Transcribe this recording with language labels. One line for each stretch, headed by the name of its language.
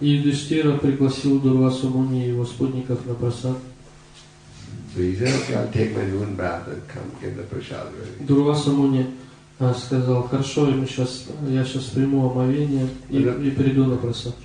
Russian: Юдиштира пригласил Дурвасу Муни и его спутников на прасад.
English: So he said, "Okay, I'll take my noon bath and come get the prasad ready."
Russian: Дурваса Муни сказал, "Хорошо, я сейчас приму омовение и приду на прасад."